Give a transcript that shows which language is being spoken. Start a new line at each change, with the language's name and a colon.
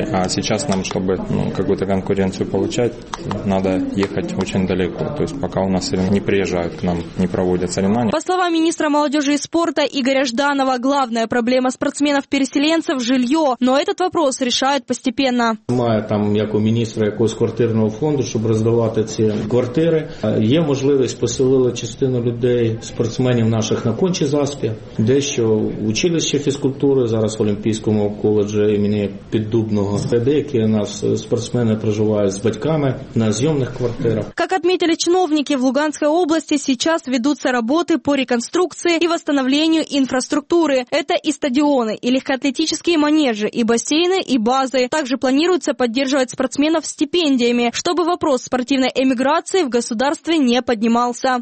Russian: А сейчас нам, чтобы какую-то конкуренцию получать, надо ехать очень далеко. То есть пока у нас не приезжают к нам, не проводят соревнования. По словам министра молодежи и спорта Игоря Жданова, главная проблема спортсменов-переселенцев – жилье. Но этот вопрос решают постепенно.
Ukrainian: Має там, як у міністра якогось квартирного фонду, щоб роздавати ці квартири. Є можливість поселили частину людей, спортсменів наших на Конче Заспі, дещо в училище фізкультури, зараз в Олімпійському коледжі імені Піддубного. Деякі у нас спортсмени проживають з батьками на зйомних квартирах.
Russian: Как отметили чиновники, в Луганской области сейчас ведутся работы по реконструкции и восстановлению инфраструктуры. Это и стадионы, и легкоатлетические манежи, и бассейны, и базы. Также планируется поддерживать спортсменов стипендиями, чтобы вопрос спортивной эмиграции в государстве не поднимался.